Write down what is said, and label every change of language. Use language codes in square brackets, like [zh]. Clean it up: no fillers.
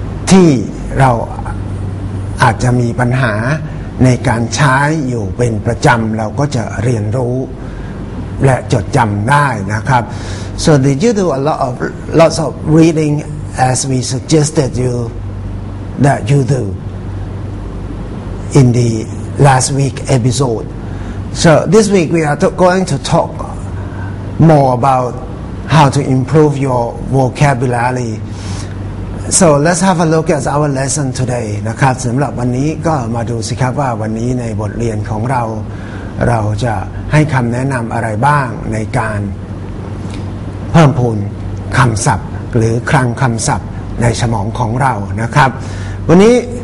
[th] ที่เราอาจจะมีปัญหาในการใช้อยู่เป็นประจำเราก็จะเรียนรู้และจดจำได้นะครับ [en] So did you do a lots of reading as we suggested you that you do in the last week episode? So this week we are going to talk more about how to improve your vocabulary. So let's have a look at our lesson today. [th] นะครับสำหรับวันนี้ก็มาดูสิครับว่าวันนี้ในบทเรียนของเราจะให้คำแนะนำอะไรบ้างในการเพิ่มพูนคำศัพท์หรือคลังคำศัพท์ในสมองของเรานะครับวันนี้